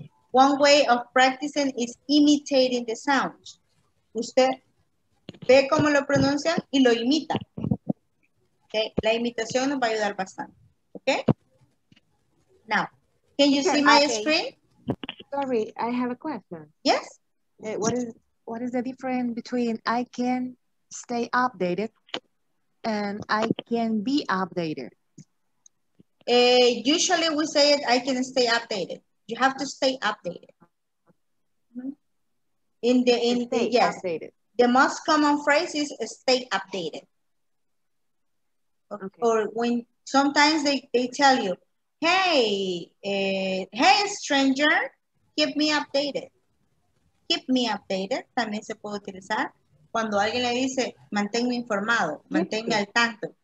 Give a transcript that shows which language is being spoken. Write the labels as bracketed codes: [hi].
[en] One way of practicing is imitating the sounds. [es] Usted ve cómo lo pronuncia y lo imita. Okay? La imitación nos va a ayudar bastante. Okay? [en] Now, can you see my screen? Sorry, I have a question. Yes? What is the difference between I can stay updated and I can be updated? Usually we say it, I can stay updated. You have to stay updated. The most common phrase is stay updated. Okay. Or when sometimes they tell you, hey stranger, keep me updated. Keep me updated, [es] también se puede utilizar. Cuando alguien le dice, manténme informado, manténme al tanto.